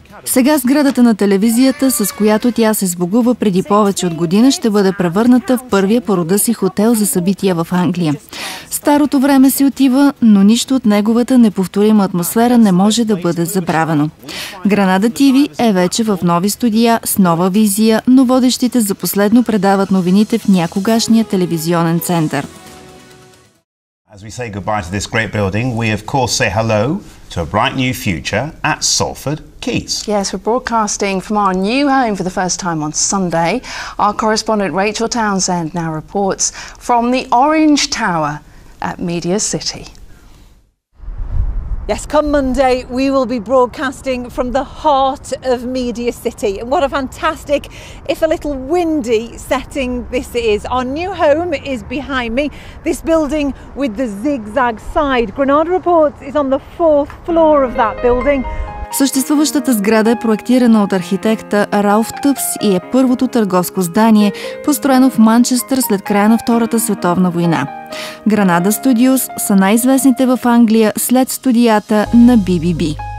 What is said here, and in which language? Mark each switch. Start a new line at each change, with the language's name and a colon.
Bulgarian: Сега сградата на телевизията, с която тя се сбогува преди повече от година, ще бъде превърната в първия по рода си хотел за събития в Англия. Старото време си отива, но нищо от неговата неповторима атмосфера не може да бъде забравено. Гранада ТВ е вече в нови студия, с нова визия, но водещите за последно предават новините в някогашния телевизионен център.
English: As we say goodbye to this great building, we of course say hello to a bright new future at Salford Quays. Yes, we're broadcasting from our new home for the first time on Sunday. Our correspondent Rachel Townsend now reports from the Orange Tower at Media City. Yes, come Monday, we will be broadcasting from the heart of Media City. And what a fantastic, if a little windy, setting this is. Our new home is behind me, this building with the zigzag side. Granada Reports is on the fourth floor of that building.
Bulgarian: Съществуващата сграда е проектирана от архитекта Ралф Тъпс и е първото търговско здание, построено в Манчестър след края на Втората световна война. Гранада Студиос са най-известните в Англия след студията на BBB.